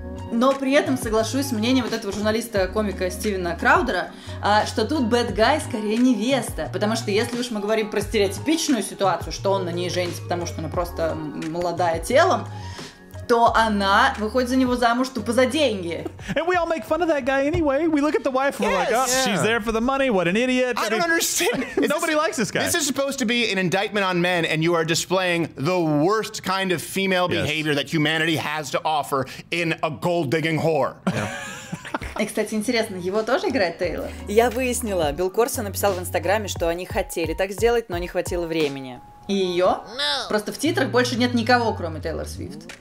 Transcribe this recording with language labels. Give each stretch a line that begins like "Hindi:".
Russian: Но при этом соглашусь с мнением вот этого журналиста-комика Стивена Краудера, что тут
English: bad guy
Russian: скорее невеста. Потому что если уж мы говорим про стереотипичную ситуацию, что он на ней женится, потому что она просто молодая телом, то она выходит за него замуж тупо за деньги.
English: And we all make fun of that guy anyway. We look at the wife and yes. we're like, oh, yeah. she's there for the money, what an idiot. I don't understand. Nobody likes this guy. This is supposed to be an indictment on men, and you are displaying the worst kind of female yes. behavior that humanity has to offer in a gold-digging whore. Yeah.
Russian: И, кстати, интересно, его тоже играет Тейлор? Я выяснила. Билл Корсо написал в Инстаграме, что они хотели так сделать, но не хватило времени. И ее?
English: No.
Russian: Просто в титрах больше нет никого, кроме Тейлор Свифт.